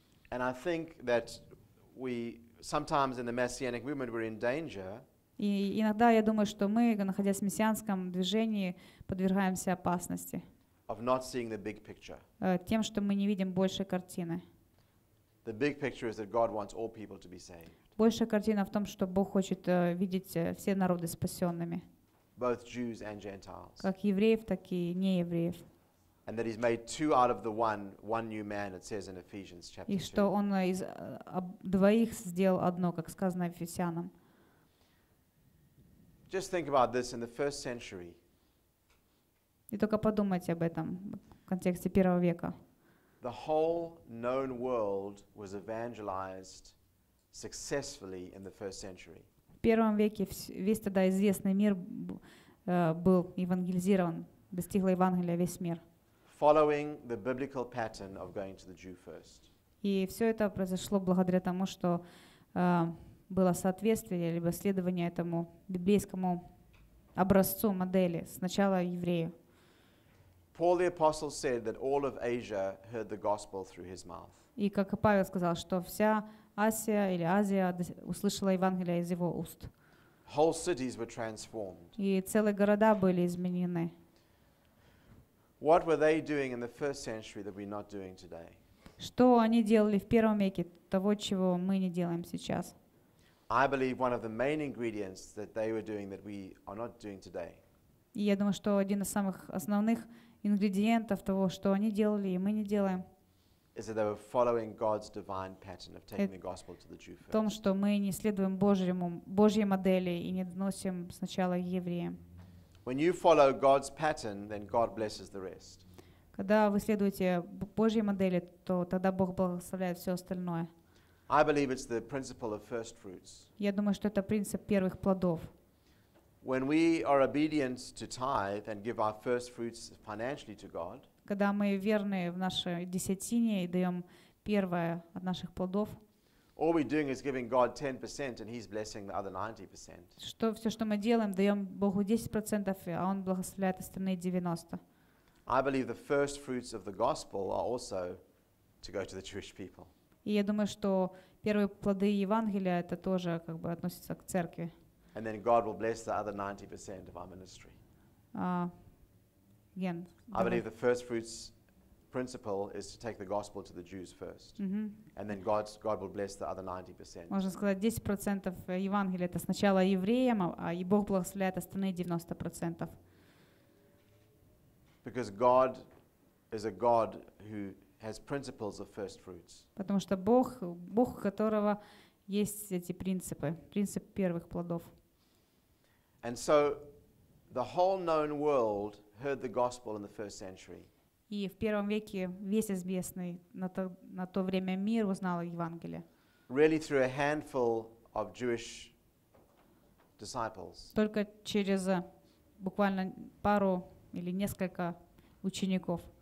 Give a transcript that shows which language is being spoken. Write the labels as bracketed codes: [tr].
[en] And I think that we sometimes in the messianic movement we're in danger. [ru] И иногда я думаю, что мы, находясь в мессианском движении, подвергаемся опасности. [en] Of not seeing the big picture. [ru] Тем, что мы не видим большей картины. [en] The big picture is that God wants all people to be saved. [ru] Большая картина в том, что Бог хочет видеть все народы спасенными. [en] Both Jews and Gentiles. [ru] Как евреев, так и неевреев. [en] And that he's made two out of the one new man, it says in Ephesians chapter 2. [ru] И что он из двоих сделал одно, как сказано Ефесянам. [en] Just think about this in the first century. [ru] И только подумайте об этом в контексте первого века. [en] The whole known world was evangelized successfully in the first century. [ru] В первом веке весь тогда известный мир был евангелизирован, достигла Евангелия весь мир. [en] Following the biblical pattern of going to the Jew first. [ru] И все это произошло благодаря тому, что было соответствие либо следование этому библейскому образцу, модели, сначала еврею. [en] Paul the apostle said that all of Asia heard the gospel through his mouth. [ru] И как Павел сказал, что вся Азия или Азия услышала Евангелие из его уст. [en] Whole cities were transformed. [ru] И целые города были изменены. [en] What were they doing in the first century that we're not doing today? [ru] Что они делали в первом веке, того, чего мы не делаем сейчас? [en] I believe one of the main ingredients that they were doing that we are not doing today. [ru] И я думаю, что один из самых основных ингредиентов того, что они делали, и мы не делаем. [en] Is that they were following God's divine pattern of taking the gospel to the Jew first. [ru] В том, что мы не следуем Божьей модели и не доносим сначала евреям. [en] When you follow God's pattern, then God blesses the rest. [ru] Когда вы следуете Божьей модели, то тогда Бог благословляет все остальное. [en] I believe it's the principle of first fruits. [ru] Я думаю, что это принцип первых плодов. [en] When we are obedient to tithe and give our first fruits financially to God. [ru] Когда мы верны в нашей десятине и даем первое от наших плодов. [en] All we're doing is giving God 10% and He's blessing the other 90%. [ru] Что все, что мы делаем, даем Богу 10%, а Он благословляет остальные 90. [en] I believe the first fruits of the gospel are also to go to the Jewish people. [ru] И я думаю, что первые плоды Евангелия это тоже как бы относится к церкви. [en] And then God will bless the other 90% of our ministry. Again. I believe the first fruits principle is to take the gospel to the Jews first. Mm-hmm. And then God will bless the other 90%. [ru] Можно сказать, 10% Евангелия это сначала евреям, а и Бог благословляет остальные 90%. [en] Because God is a God who has principles of first fruits. [ru] Потому что Бог, у которого есть эти принципы, принцип первых плодов. [en] And so the whole known world heard the gospel in the first century. [ru] И в первом веке весь известный на то время мир узнал Евангелие. [en] Really through a handful of Jewish disciples. [ru] Только через буквально пару или несколько учеников.